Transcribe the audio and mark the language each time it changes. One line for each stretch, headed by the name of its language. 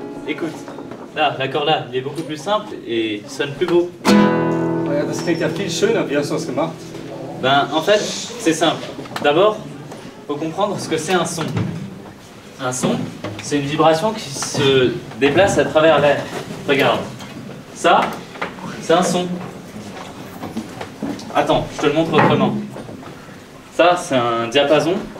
French: Écoute, là, l'accord là, il est beaucoup plus simple et il sonne plus beau.
German: Ja, das klingt ja viel schöner, wie hast du das gemacht?
French: Ben, en fait, c'est simple. D'abord, faut comprendre ce que c'est un son. Un son, c'est une vibration qui se déplace à travers l'air. Regarde. Ça, c'est un son. Attends, je te le montre autrement. Ça, c'est un diapason.